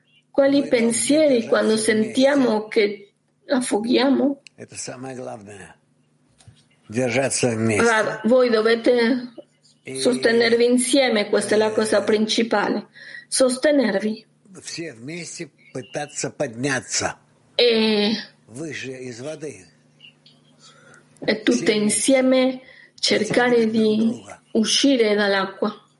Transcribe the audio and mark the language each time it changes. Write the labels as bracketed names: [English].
[Italian] Quali pensieri quando sentiamo che affoghiamo? Rav, voi dovete sostenervi insieme, questa è la cosa principale. Sostenervi. [Russian] Пытаться подняться выше из воды. [Italian] E tutte insieme cercare di uscire dall'acqua.